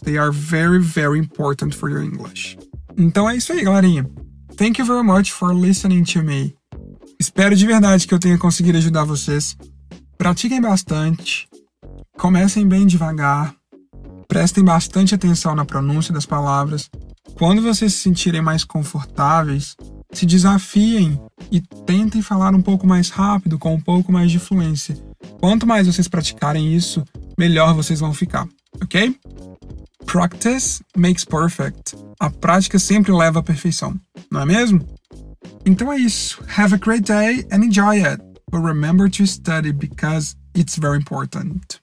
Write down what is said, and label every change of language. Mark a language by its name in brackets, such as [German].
[English] They are very, very important for your English. [Portuguese] Então é isso aí, galerinha. [English] Thank you very much for listening to me. [Portuguese] Espero de verdade que eu tenha conseguido ajudar vocês. Pratiquem bastante. Comecem bem devagar. Prestem bastante atenção na pronúncia das palavras. Quando vocês se sentirem mais confortáveis, se desafiem e tentem falar um pouco mais rápido, com um pouco mais de fluência. Quanto mais vocês praticarem isso, melhor vocês vão ficar, ok? [English] Practice makes perfect. [Portuguese] A prática sempre leva à perfeição, não é mesmo? Então é isso. [English] Have a great day and enjoy it. But remember to study because it's very important.